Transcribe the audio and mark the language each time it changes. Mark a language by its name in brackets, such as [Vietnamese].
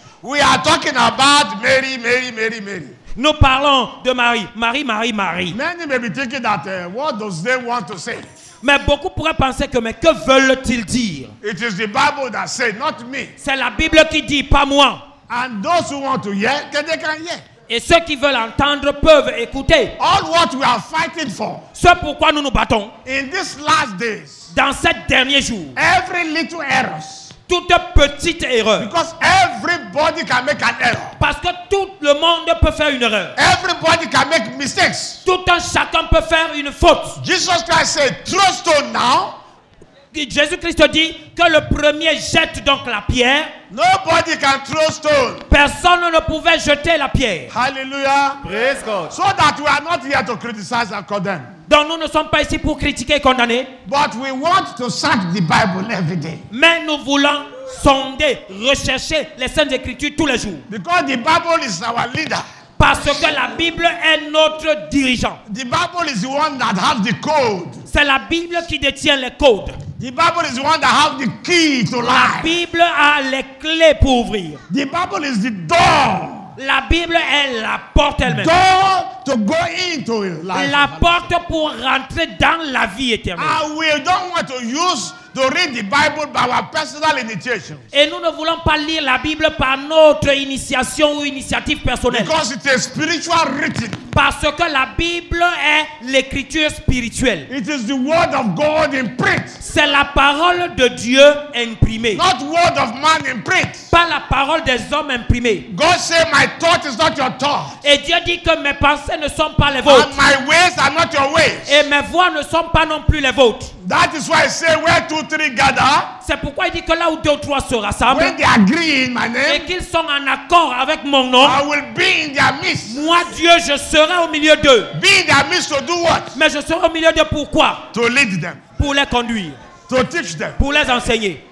[English] we are talking about Mary, Mary, Mary, Mary. [French] Nous parlons de Marie, Marie, Marie, Marie. [English] Many may be thinking that what does they want to say? [French] Mais beaucoup pourraient penser que, mais que veulent-ils dire? [English] It is the Bible that say, not me. [French] C'est la Bible qui dit, pas moi. [English] And those who want to hear, can they can hear? [French] Et ceux qui veulent entendre peuvent écouter. [English] All what we are fighting for, [French] ce pourquoi nous nous battons. [English] In these last days, [French] dans ces derniers jours. [English] Every little errors, [French] toute petite erreur. [English] Because everybody can make an error. [French] Parce que tout le monde peut faire une erreur. [English] Everybody can make mistakes. [French] Tout un chacun peut faire une faute. [English] Jesus Christ said, throw stone now. [French] Jésus Christ dit que le premier jette donc la pierre. [English] Nobody can throw stone. [French] Personne ne pouvait jeter la pierre. [English] Hallelujah. Praise God. So that we are not here to criticize and condemn. [French] Donc nous ne sommes pas ici pour critiquer et condamner. [English] But we want to search the Bible every day. [French] Mais nous voulons sonder, rechercher les Saintes Écritures tous les jours. [English] Because the Bible is our leader. [French] Parce que la Bible est notre dirigeant. [English] The Bible is the one that has the code. [French] C'est la Bible qui détient les codes. [English] The Bible is the one that has the key to life. [French] La Bible a les clés pour ouvrir. [English] The Bible is the door. [French] La Bible est la porte elle-même. [English] Door to go into life. [French] La porte pour rentrer dans la vie éternelle. [English] And we don't want to use to read the Bible by our personal initiation. [French] Et nous ne voulons pas lire la Bible par notre initiation ou initiative personnelle. [English] Because it is spiritual written. [French] Parce que la Bible est l'écriture spirituelle. [English] It is the word of God in print. [French] C'est la parole de Dieu imprimée. [English] Not word of man in print. [French] Pas la parole des hommes imprimée. [English] God say my thought is not your thought. [French] Et Dieu dit que mes pensées ne sont pas les vôtres. [English] And my ways are not your ways. [French] Et mes voies ne sont pas non plus les vôtres. [English] That is why I say where two, three gather. [French] C'est pourquoi il dit que là où deux ou trois se rassemblent, [English] when they agree in my name, [French] et qu'ils sont en accord avec mon nom, [English] I will be in their midst. [French] Moi, Dieu, je serai au milieu d'eux. [English] Be in their midst to do what? [French] Mais je serai au milieu d'eux pour quoi? [English] To lead them. [French] Pour les conduire. [English] To teach them. [French] Pour les enseigner.